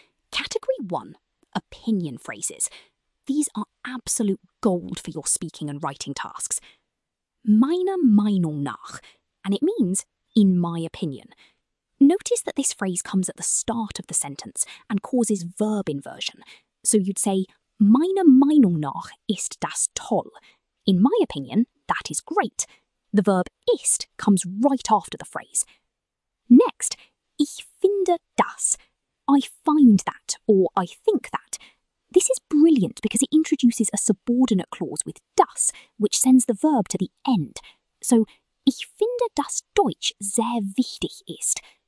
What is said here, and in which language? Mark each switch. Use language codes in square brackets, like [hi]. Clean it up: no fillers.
[en] Category one, opinion phrases. These are absolute gold for your speaking and writing tasks. [de] Meiner Meinung nach, [en] and it means, in my opinion. Notice that this phrase comes at the start of the sentence and causes verb inversion. So you'd say, [de] meiner Meinung nach ist das toll. [en] In my opinion, that is great. The verb ist comes right after the phrase. Next, [de] ich finde das. [en] I find that, or I think that. This is brilliant because it introduces a subordinate clause with das, which sends the verb to the end. [de] So, ich finde das Deutsch sehr wichtig ist.